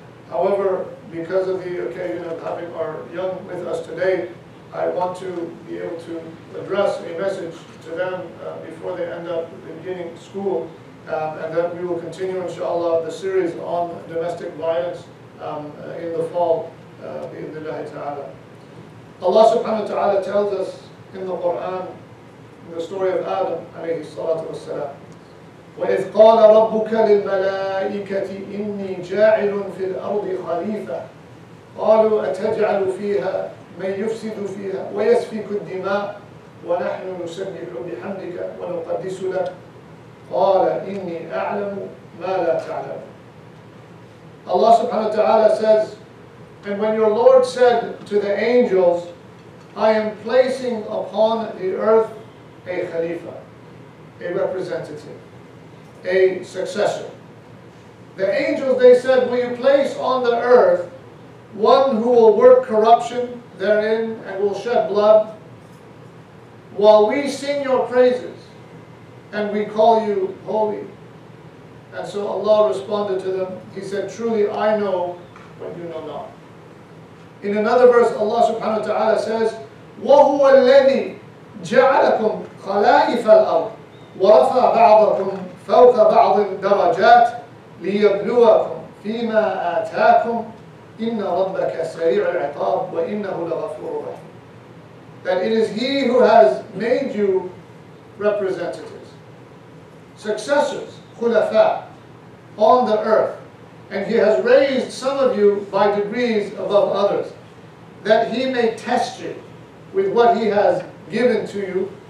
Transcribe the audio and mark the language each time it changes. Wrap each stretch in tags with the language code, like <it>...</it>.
<en>However, because of the occasion of having our young with us today, I want to be able to address a message to them before they end up beginning school, and then we will continue, inshallah, the series on domestic violence in the fall, bi-idhnillahi ta'ala. Allah subhanahu wa ta'ala tells us in the Qur'an, in the story of Adam, alayhi salatu wa salam,</en> <ar>وَإِذْ قَالَ رَبُّكَ لِلْمَلَائِكَةِ إِنِّي جَاعِلٌ فِي الْأَرْضِ خَلِيفَةً قَالُوا أَتَجْعَلُ فِيهَا مَنْ يُفْسِدُ فِيهَا وَيَسْفِكُ الدِّمَاءِ وَنَحْنُ نُسَبِّحُ بِحَمْدِكَ وَنُقَدِّسُ لَكَ قَالَ إِنِّي أَعْلَمُ مَا لَا تَعْلَمُ.</ar> <en>Allah subhanahu wa ta'ala says, and when your Lord said to the angels, I am placing upon the earth a khalifa, a representative, a successor. The angels, they said, will you place on the earth one who will work corruption therein and will shed blood while we sing your praises and we call you holy? And so Allah responded to them. He said, truly I know what you know not. In another verse, Allah subhanahu wa ta'ala says,</en> <ar>وَهُوَ الَّذِي جَعَلَكُمْ خَلَائِفَ الْأَرْضِ وَرَفَى بَعْضَكُمْ فَوْقَ بَعْضٍ دَرَجَاتٍ لِيَبْلُوَكُمْ فِي مَا آتَاكُمْ إِنَّ رَبَّكَ سَرِيعُ الْعِقَابِ وَإِنَّهُ لَغَفُورُ رَحِيمٌ.</ar> <en>That it is He who has made you representatives, successors, khulafa, on the earth, and He has raised some of you by degrees above others, that He may test you with what He has given to you.</en>